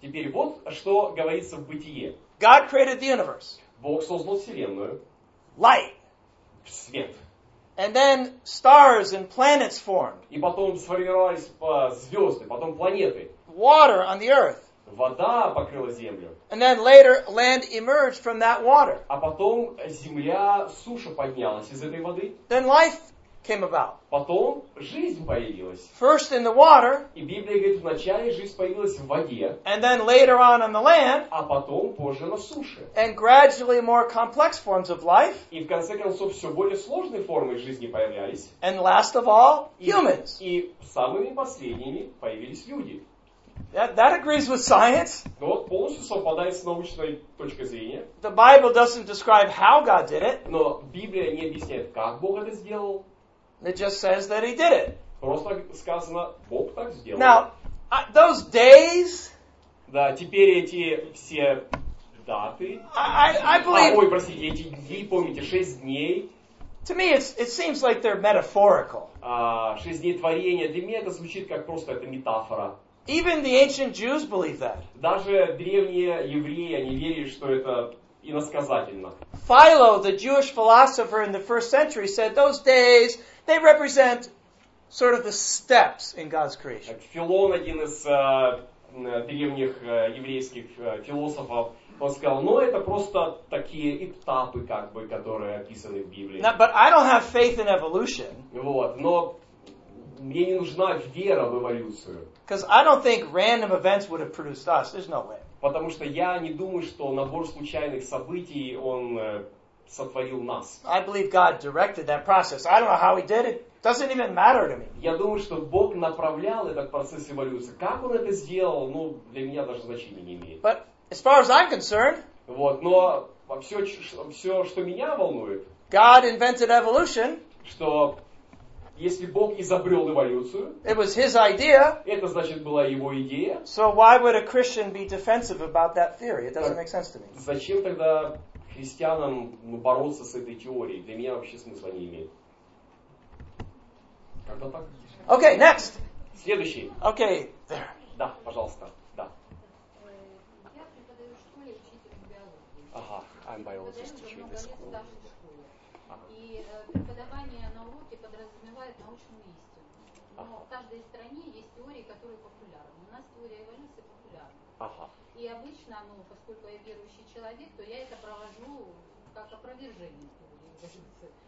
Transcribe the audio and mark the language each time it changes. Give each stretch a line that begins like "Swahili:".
Russian: Теперь вот что говорится в Бытие.
English: God created the universe.
Russian: Бог создал вселенную.
English: Light.
Russian: Свет.
English: And then stars and planets formed.
Russian: И потом сформировались звезды, потом планеты.
English: Water on the earth.
Russian: Вода покрыла землю.
English: And then later land emerged from that water.
Russian: А потом земля, суша поднялась из этой воды.
English: Then life came about.
Russian: Потом жизнь появилась.
English: First in the water.
Russian: И Библия говорит, вначале жизнь появилась в воде.
English: And then later on the land.
Russian: А потом позже на суше.
English: And gradually more complex forms of life.
Russian: И в конце концов все более сложные формы жизни появлялись.
English: And last of all, humans.
Russian: И самыми последними появились люди.
English: That agrees with science.
Russian: Но вот полностью совпадает с научной точкой зрения.
English: The Bible doesn't describe how God did it.
Russian: Но Библия не объясняет, как Бог это сделал.
English: It just says that he did it.
Russian: Просто сказано, Бог так сделал.
English: Now, those days.
Russian: Да, теперь эти все даты.
English: I believe.
Russian: Ой, простите, эти дни, помните, шесть дней.
English: To me, it seems like they're metaphorical.
Russian: Шесть дней творения. Для меня это звучит как просто это метафора.
English: Even the ancient Jews believe that.
Russian: Даже древние евреи они верили, что это иносказательно.
English: Philo, the Jewish philosopher in the first century, said those days they represent sort of the steps in God's creation.
Russian: Филон один из древних еврейских философов он сказал, ну это просто такие этапы, как бы, которые описаны в Библии.
English: Now, but I don't have faith in evolution.
Russian: Вот, но мне не нужна вера в эволюцию.
English: Because I don't think random events would have produced us. There's no way.
Russian: Потому что я не думаю, что набор случайных событий он сотворил нас.
English: I believe God directed that process. I don't know how he did it. Doesn't even matter to me.
Russian: Я думаю, что Бог направлял этот процесс эволюции. Как он это сделал, ну, для меня даже значения не имеет.
English: But as far as I'm concerned,
Russian: вот, но все, что меня волнует,
English: God invented evolution,
Russian: что если Бог изобрел эволюцию,
English: it was his idea,
Russian: это значит была его идея.
English: So why would a Christian be defensive about that theory? It doesn't make sense to me.
Russian: Зачем тогда христианам бороться с этой теорией? Для меня вообще смысла не имеет. Как-то так.
English: Okay, next.
Russian: Следующий.
English: Okay, there.
Russian: Да, пожалуйста. Да. Я преподаю в школе учитель биологии.
English: Ага, I'm biologist teaching in the school.
Russian: И преподавание на уроке подразумевает научную истину. Но в каждой стране есть теории, которые популярны. У нас теория эволюции популярна. И обычно, ну, поскольку я верующий человек, то я это провожу как опровержение теории эволюции.